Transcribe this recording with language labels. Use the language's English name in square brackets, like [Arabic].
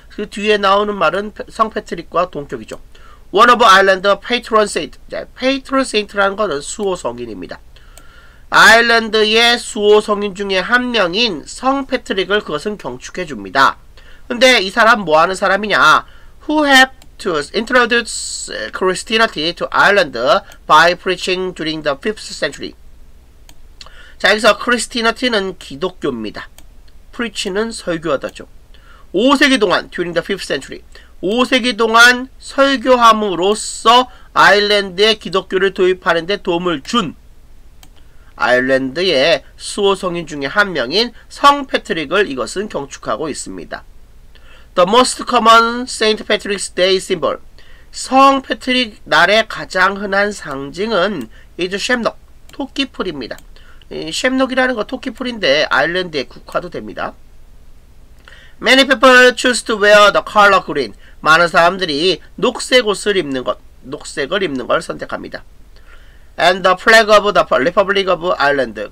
[Korean] 그 뒤에 나오는 말은 성 패트릭과 동격이죠. [English] One of Ireland's patron saint. [Korean] 자, patron saint라는 것은 수호 성인입니다. 아일랜드의 수호 성인 중에 한 명인 성 패트릭을 그것은 경축해 줍니다. 근데 이 사람 뭐 하는 사람이냐? [English] Who have to introduce Christianity to Ireland by preaching during the 5th century? [Korean] 자, 여기서 Christianity는 기독교입니다. Preach는 설교하다죠. 5세기 동안, [English] during the 5th century, [Korean] 5세기 동안 설교함으로써 아일랜드에 기독교를 도입하는 데 도움을 준 아일랜드의 수호 성인 중에 한 명인 성 패트릭을 이것은 경축하고 있습니다. [English] The most common Saint Patrick's Day symbol. [Korean] 성 패트릭 날의 가장 흔한 상징은 [English] is shamrock, [Korean] 토끼풀입니다. 이 shamrock이라는 거 토끼풀인데 아일랜드의 국화도 됩니다. [English] Many people choose to wear the color green. [Korean] 많은 사람들이 녹색 옷을 입는 것, 녹색을 입는 걸 선택합니다. [English] And the flag of the Republic of Ireland.